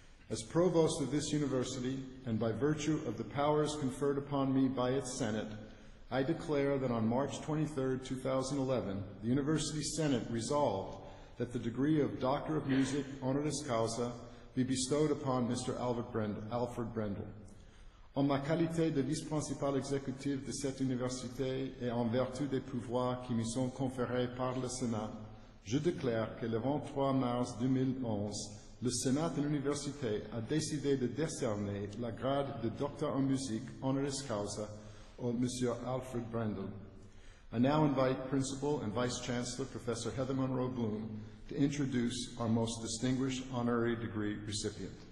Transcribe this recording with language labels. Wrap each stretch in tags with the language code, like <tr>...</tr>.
<en>As provost of this university, and by virtue of the powers conferred upon me by its Senate, I declare that on March 23, 2011, the University Senate resolved that the degree of Doctor of Music, honoris causa, be bestowed upon Mr. Alfred Brendel.</en> <fr>En ma qualité de vice-principal exécutif de cette université et en vertu des pouvoirs qui me sont conférés par le Sénat, je déclare que le 23 mars 2011, le Sénat de l'Université a décidé de décerner la grade de Doctor en musique honoris causa au Monsieur Alfred Brendel.</fr> <en>I now invite Principal and Vice-Chancellor Professor Heather Monroe Bloom to introduce our most distinguished honorary degree recipient.</en>